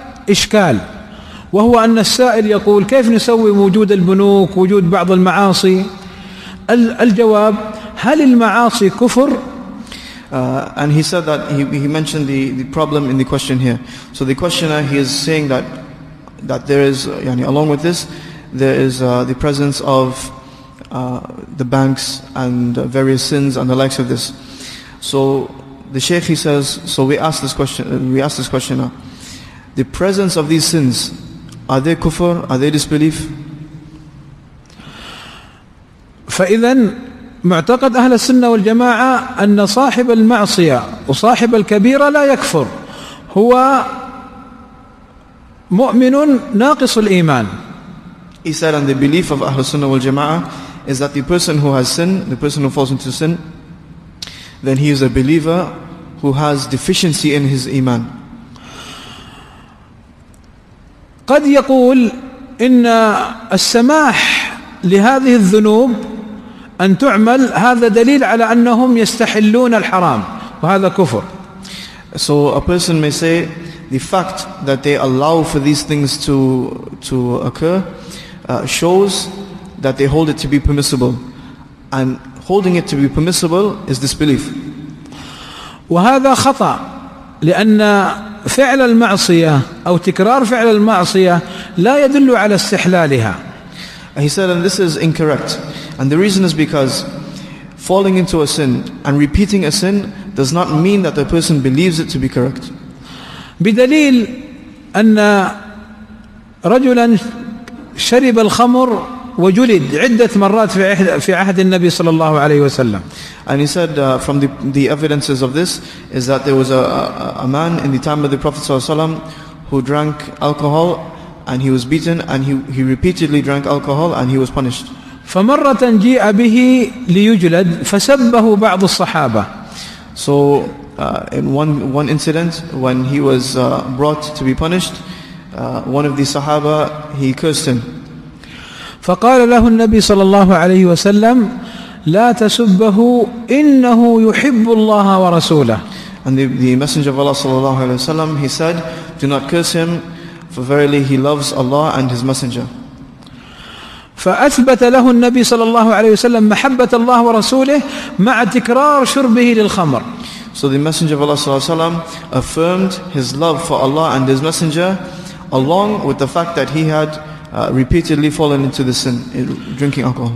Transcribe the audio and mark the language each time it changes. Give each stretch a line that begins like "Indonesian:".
Arabic: إشكال، وهو أن السائل يقول كيف نسوي وجود البنوك وجود بعض المعاصي؟ الجواب، هل المعاصي كفر؟
English: And he said that he mentioned the problem in the question here. So the questioner, he is saying that there is yani along with this there is the presence of the banks and various sins and the likes of this. So the Shaykh, he says, so we ask this questioner, the presence of these sins, are they kufr, are they disbelief?
Arabic: فإذن معتقد أهل السنة والجماعة أن صاحب المعصية وصاحب الكبيرة لا يكفر، هو مؤمن ناقص الإيمان.
English: He said, and the belief of Ahl Sunnah wal Jama'ah is that the person who has sin, the person who falls into sin, then he is a believer who has deficiency in his iman.
Arabic: قد يقول إن السماح لهذه الذنوب أن تعمل هذا دليل على أنهم يستحلون الحرام وهذا كفر.
English: So a person may say the fact that they allow for these things to occur shows that they hold it to be permissible, and holding it to be permissible is disbelief.
Arabic: وهذا خطأ، لأن فعل المعصية أو تكرار فعل المعصية لا يدل على استحلالها.
English: He said, and this is incorrect. And the reason is because falling into a sin and repeating a sin does not mean that the person believes it to be correct.
Arabic: بدليل أن رجلا شرب الخمر وجلد عدة مرات في عهد النبي صلى الله عليه وسلم.
English: And he said, from the evidences of this is that there was a man in the time of the Prophet صلى الله عليه وسلم who drank alcohol and he was beaten and he repeatedly drank alcohol and he was punished.
Arabic: فمرة جاء به ليجلد فسبه بعض الصحابة.
English: So in one incident when he was brought to be punished, one of the Sahaba, he cursed him.
Arabic: فقال له النبي صلى الله عليه وسلم لا تسبه إنه يحب الله ورسوله.
English: And the Messenger of Allah صلى الله عليه وسلم, he said, do not curse him, for verily he loves Allah and his Messenger.
Arabic: فأثبت له النبي صلى الله عليه وسلم محبة الله ورسوله مع تكرار شربه للخمر.
English: So the Messenger of Allah صلى الله عليه وسلم affirmed his love for Allah and his Messenger along with the fact that he had repeatedly fallen into the sin, drinking alcohol.